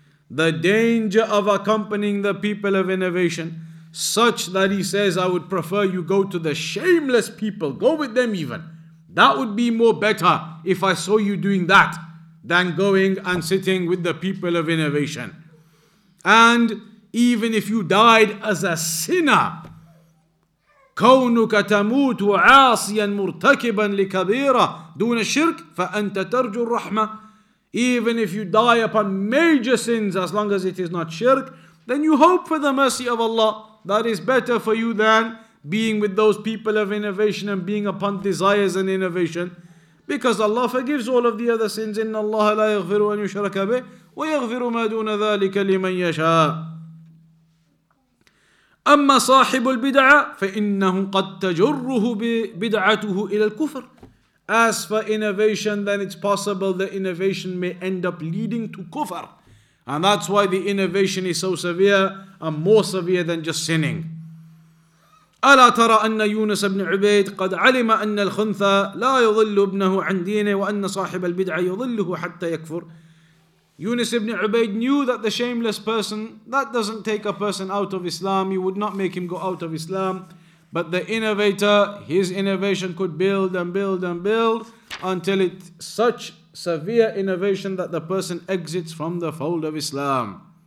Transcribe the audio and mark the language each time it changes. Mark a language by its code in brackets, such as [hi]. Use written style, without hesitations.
[en] The danger of accompanying the people of innovation, such that he says, "I would prefer you go to the shameless people, go with them even. That would be more better if I saw you doing that than going and sitting with the people of innovation. And even if you died as a sinner, [ar] كونك تموت عاصيا مرتكبا لكبيرة دون شرك فأنت ترجو الرحمة." [en] Even if you die upon major sins, as long as it is not shirk, then you hope for the mercy of Allah. That is better for you than being with those people of innovation and being upon desires and innovation. Because Allah forgives all of the other sins. [ar] إِنَّ اللَّهَ لَا يَغْفِرُ أَنْ يُشْرَكَ بِهِ وَيَغْفِرُ مَا دُونَ ذَلِكَ لِمَنْ يَشَاءُ أَمَّا صَاحِبُ الْبِدْعَةِ فَإِنَّهُ قَدْ تَجُرُّهُ بِبِدْعَتُهُ إِلَى الْكُفْرِ. [en] As for innovation, then it's possible the innovation may end up leading to kufr. And that's why the innovation is so severe and more severe than just sinning. [ar] ألا ترى أن يونس بن عبيد قد علم أن الخنثى لا يضل ابنه عن دينه وأن صاحب البدعة يضله حتى يكفر. [en] Yunus ibn Ubayd knew that the shameless person, that doesn't take a person out of Islam, he would not make him go out of Islam. But the innovator, his innovation could build and build and build until it's such severe innovation that the person exits from the fold of Islam.